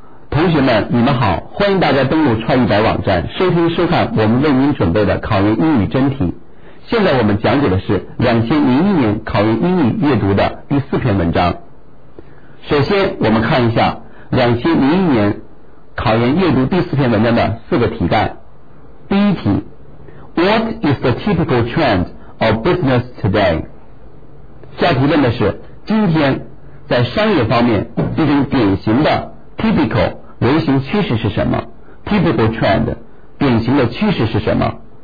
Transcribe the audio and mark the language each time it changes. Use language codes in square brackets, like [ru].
[zh] 同学们你们好，欢迎大家登录创意宅网站收听收看我们为您准备的考研英语真题。现在我们讲解的是2001年考研英语阅读的第四篇文章。首先我们看一下2001年考研阅读第四篇文章的四个题干。第一题， [en] What is the typical trend of business today？ [zh] 下题问的是今天在商业方面一种典型的 typical 流行趋势是什么？ typical trend 典型的趋势是什么？